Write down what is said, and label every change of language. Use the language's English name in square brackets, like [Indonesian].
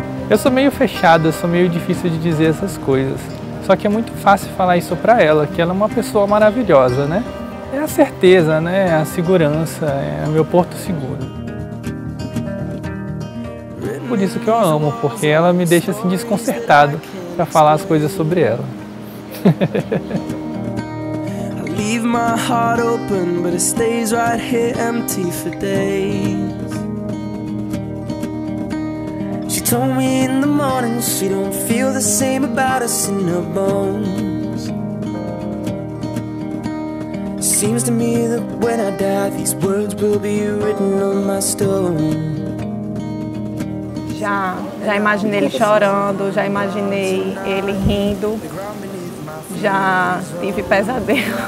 [Portuguese] Eu sou meio fechado, eu sou meio difícil de dizer essas coisas. Só que é muito fácil falar isso pra ela, que ela é uma pessoa maravilhosa, né? É a certeza, né? É a segurança, é o meu porto seguro. Por isso que eu a amo, porque ela me deixa assim desconcertado pra falar as coisas sobre ela. [English] Leave my heart open, but it stays right here empty for days. Told me in the morning she don't feel the same about us in her bones. Seems to me that when I die, these words will be written on my stone. [Portuguese] Já imaginei ele chorando, já imaginei ele rindo, já tive pesadelo.